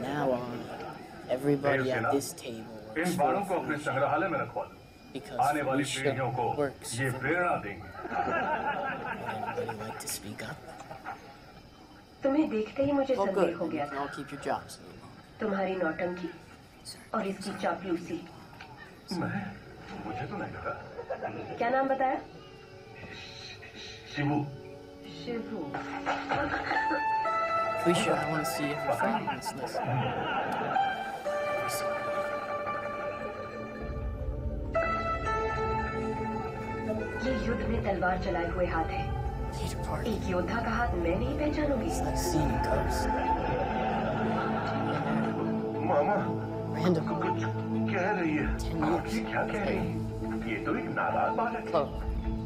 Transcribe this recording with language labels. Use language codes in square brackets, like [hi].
[en] Now on, everybody at this table works for the future. Because we shall work for the future. Would anybody like to speak up? Well, good. You can all keep your jobs. [hi] तुम्हारी नौटंकी और इसकी चापलूसी. मुझे तो नहीं लगा. क्या नाम बताया? Shibu. Shibu. [en] Felicia, I want to see if your friend wants to listen. [hi] ये युद्ध में तलवार चलाए हुए हाथ है. एक योद्धा का हाथ मैं नहीं पहचानूंगी. [en] It's like seeing ghosts. [hi] मामा कुछ कह रही है आपकी क्या कह रही है ये तो एक नाराज बालक है